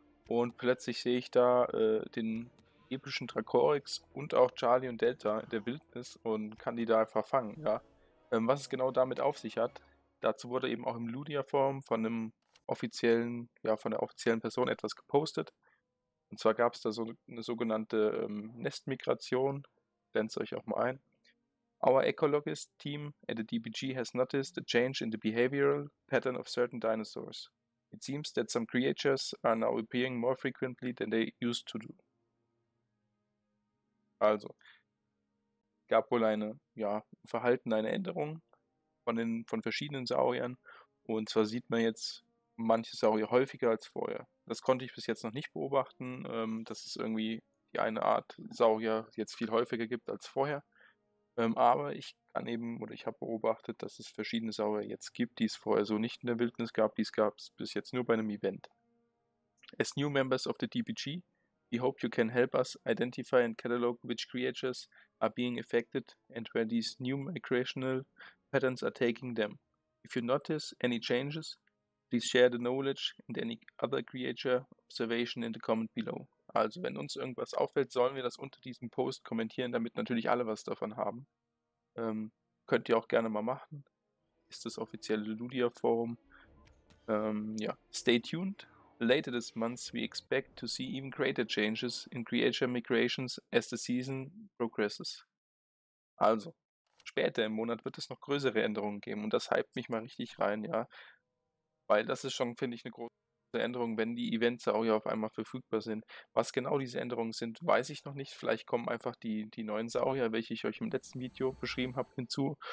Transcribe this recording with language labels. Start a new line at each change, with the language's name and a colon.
German: Und plötzlich sehe ich da den epischen Dracorix und auch Charlie und Delta in der Wildnis und kann die da einfach fangen. Ja. Was es genau damit auf sich hat, dazu wurde eben auch im Ludia-Forum von einem offiziellen, ja, von der offiziellen Person etwas gepostet. Und zwar gab es da so eine sogenannte Nestmigration, blende es euch auch mal ein.
English: Our ecologist team at the DBG has noticed a change in the behavioral pattern of certain dinosaurs. It seems that some creatures are now appearing more frequently than they used to do.
German: Also, gab wohl eine, ja, Verhalten, eine Änderung von verschiedenen Sauriern. Und zwar sieht man jetzt manche Saurier häufiger als vorher. Das konnte ich bis jetzt noch nicht beobachten, dass es irgendwie die eine Art Saurier jetzt viel häufiger gibt als vorher. Aber ich kann eben, oder ich habe beobachtet, dass es verschiedene Saurier jetzt gibt, die es vorher so nicht in der Wildnis gab. Dies gab es bis jetzt nur bei einem Event.
English: As new members of the DBG, we hope you can help us identify and catalog which creatures are being affected and where these new migrational patterns are taking them. If you notice any changes, please share the knowledge and any other creature observation in the comment below.
German: Also, wenn uns irgendwas auffällt, sollen wir das unter diesem Post kommentieren, damit natürlich alle was davon haben. Könnt ihr auch gerne mal machen. Ist das offizielle Ludia Forum.
English: Ja, stay tuned. Later this month, we expect to see even greater changes in creature migrations as the season progresses.
German: Also, später im Monat wird es noch größere Änderungen geben und das hypt mich mal richtig rein, ja. Weil das ist schon, finde ich, eine große Änderung, wenn die Events auch ja auf einmal verfügbar sind. Was genau diese Änderungen sind, weiß ich noch nicht. Vielleicht kommen einfach die neuen Saurier, welche ich euch im letzten Video beschrieben habe, hinzu.